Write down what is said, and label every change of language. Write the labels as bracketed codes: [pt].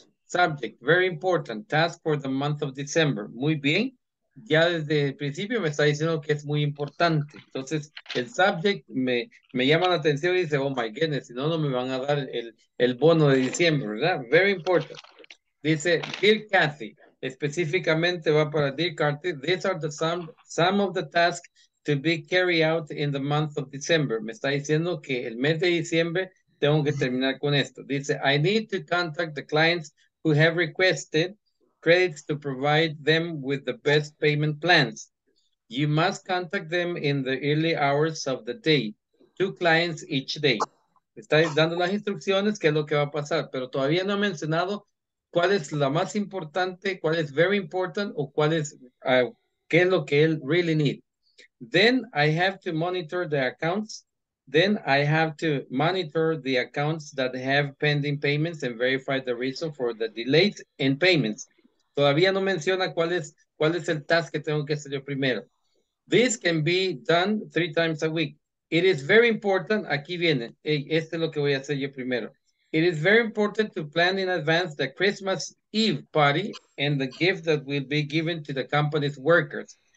[en] Subject, very important, task for the month of December. [es] Muy bien, ya desde el principio me está diciendo que es muy importante. Entonces, el subject me llama la atención y dice, [en] oh my goodness, [es] si no me van a dar el bono de diciembre, ¿verdad? [en] Very important. Dice, Dear Kathy, [es] específicamente va para [en] Dear Kathy, these are the some of the tasks to be carried out in the month of December. [es] Me está diciendo que el mes de diciembre tengo que terminar con esto. [en] Dice, I need to contact the clients who have requested credits to provide them with the best payment plans. You must contact them in the early hours of the day. 2 clients each day. [es] Me está dando las instrucciones qué es lo que va a pasar, pero todavía no ha mencionado cuál es la más importante, cuál es [en] very important, [es] o cuál es, qué es lo que él [en] really need. Then I have to monitor the accounts. Then I have to monitor the accounts that have pending payments and verify the reason for the delays in payments. [es] Todavía no menciona cuál es el task que tengo que hacer yo primero. [en] This can be done 3 times a week. It is very important. [es] Aquí viene. Este es lo que voy a hacer yo primero. [en] It is very important to plan in advance the Christmas Eve party and the gift that will be given to the company's workers.